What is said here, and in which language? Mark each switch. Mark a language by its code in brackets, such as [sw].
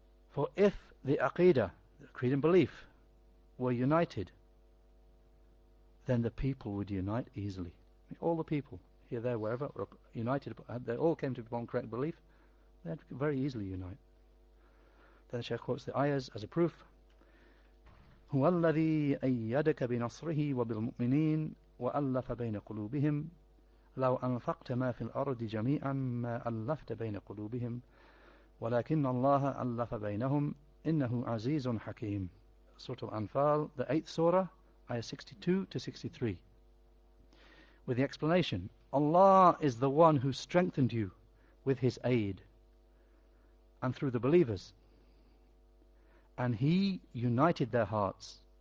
[en] For if the Aqeedah, the creed and belief, were united, then the people would unite easily. I mean, all the people, here, there, wherever, were united, they all came to upon correct belief, they'd very easily unite. Then the Shaykh quotes the ayahs as a proof. [ar] هو الذي أيدك بنصره وبالمؤمنين وألف بين قلوبهم لو أنفقت ما في الأرض جميعا ما ألفت بين قلوبهم ولكن الله ألف بينهم إنه عزيز حكيم. [en] سورة الأنفال, the 8th surah, ayah 62-63, with the explanation, Allah is the one who strengthened you with his aid and through the believers, and he united their hearts.